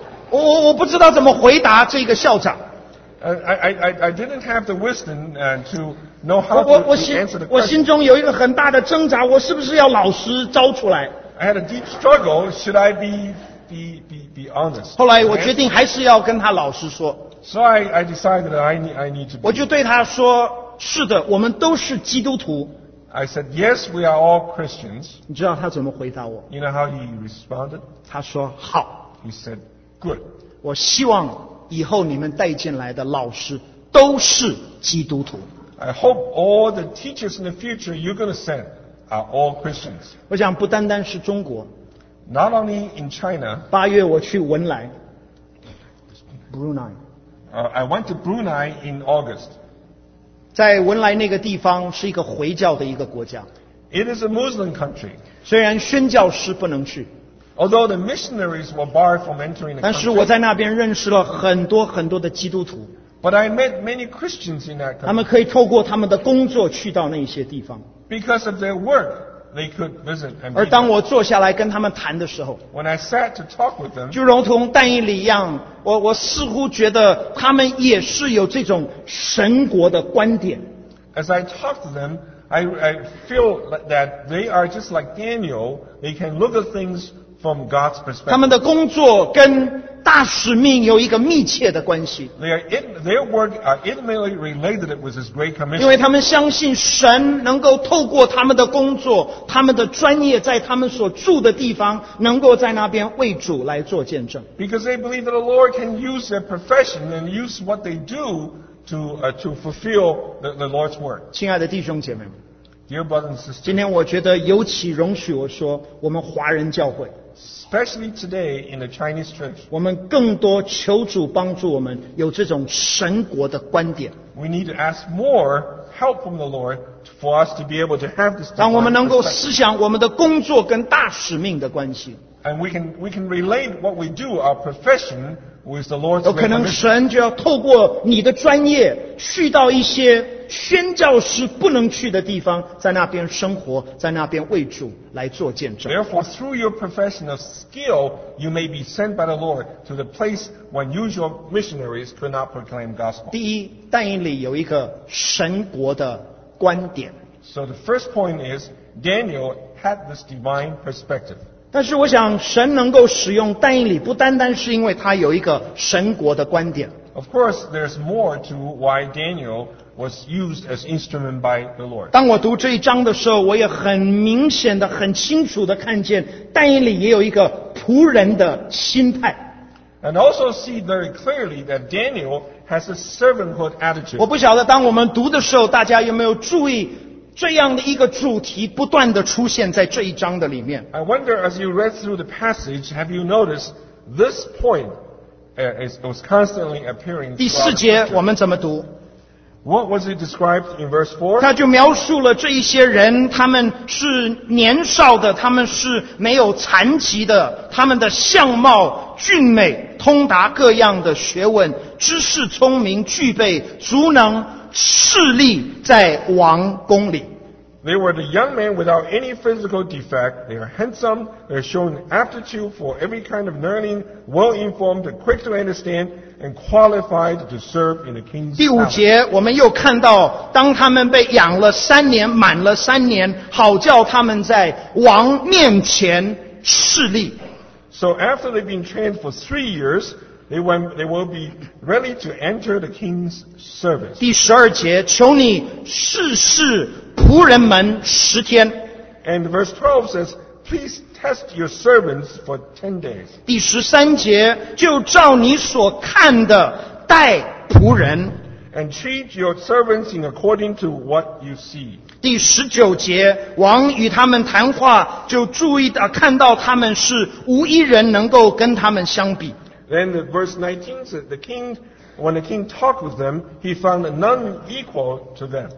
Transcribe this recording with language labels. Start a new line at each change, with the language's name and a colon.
Chinese: 我不知道怎么回答这个校长。
English: I didn't have the wisdom to know how to answer the question.
Chinese: 我心中有一个很大的挣扎，我是不是要老实招出来
English: ？I had a deep struggle. Should I be honest?
Chinese: 后来我决定还是要跟他老实说。
English: So I decided that I need to.
Chinese: 我就对他说：“是的，我们都是基督徒。”
English: I said, "Yes, we are all Christians."
Chinese: 你知道他怎么回答我
English: ？You know how he responded?
Chinese: 他说：“好。”
English: He said, "Good."
Chinese: 我希望。以后你们带进来的老师都是基督徒。
English: I hope all the teachers in the future you're going to send are all Christians.
Chinese: 我想不单单是中国。
English: Not only in China.
Chinese: 八月我去文莱。Brunei.
English: I went to Brunei in August.
Chinese: 在文莱那个地方是一个回教的一个国家。
English: It is a Muslim country.
Chinese: 虽然宣教师不能去。
English: Although the missionaries were barred from entering the country.
Chinese: 但是我在那边认识了很多很多的基督徒。
English: But I met many Christians in that country.
Chinese: 他们可以透过他们的工作去到那些地方。
English: Because of their work, they could visit and.
Chinese: 而当我坐下来跟他们谈的时候
English: ，When I sat to talk with them,
Chinese: 就如同但以理一样，我似乎觉得他们也是有这种神国的观点。
English: As I talked to them, I feel that they are just like Daniel. They can look at things from God's perspective.
Chinese: 他们的工作跟大使命有一个密切的关系。
English: Their work are intimately related with His Great Commission.
Chinese: 因为他们相信神能够透过他们的工作、他们的专业，在他们所住的地方，能够在那边为主来做见证。
English: Because they believe that the Lord can use their profession and use what they do to fulfill the Lord's work.
Chinese: 亲爱的弟兄姐妹们
English: ，Dear brothers and sisters,
Chinese: 今天我觉得尤其容许我说，我们华人教会。
English: Especially today in the Chinese church,
Chinese: 我们更多求主帮助我们有这种神国的观点。
English: We need to ask more help from the Lord for us to be able to have this.
Chinese: 让我们能够思想我们的工作跟大使命的关系。
English: And we can relate what we do, our profession, with the Lord's.
Chinese: 有可能神就要透过你的专业去到一些宣教师不能去的地方，在那边生活，在那边为主来做见证。
English: Therefore, through your profession of skill, you may be sent by the Lord to the place when usual missionaries could not proclaim gospel.
Chinese: 第一，但以理有一个神国的观点。
English: So the first point is Daniel had this divine perspective.
Chinese: 但是我想，神能够使用但以理，不单单是因为他有一个神国的观点。
English: Of course, there's more to why Daniel was used as instrument by the Lord.
Chinese: 当我读这一章的时候，我也很明显的、很清楚的看见，但以理也有一个仆人的心态。
English: And also see very clearly that Daniel has a servanthood attitude.
Chinese: 我不晓得当我们读的时候，大家有没有注意这样的一个主题不断的出现在这一章的里面。
English: I wonder as you read through the passage, have you noticed this point? It was constantly appearing.
Chinese: 第四节我们怎么读？
English: What was it described in verse 4?
Chinese: 他就描述了这一些人，他们是年少的，他们是没有残疾的，他们的相貌俊美，通达各样的学问，知识聪明，具备足能，势力在王宫里。
English: They were the young men without any physical defect. They are handsome. They are showing aptitude for every kind of learning, well-informed, quick to understand, and qualified to serve in the king's palace.
Chinese: 第五节我们又看到当他们被养了三年满了三年好叫他们在王面前势力。
English: So after they've been trained for 3 years, they will be ready to enter the king's service.
Chinese: 第十二节求你试试仆人们十天。
English: And verse 12 says, please test your servants for 10 days.
Chinese: 第十三节就照你所看的待仆人。
English: And treat your servants in according to what you see.
Chinese: 第十九节王与他们谈话就注意到看到他们是无一人能够跟他们相比。
English: Then the verse 19 says, the king,When the king talked with them, he found none equal to them.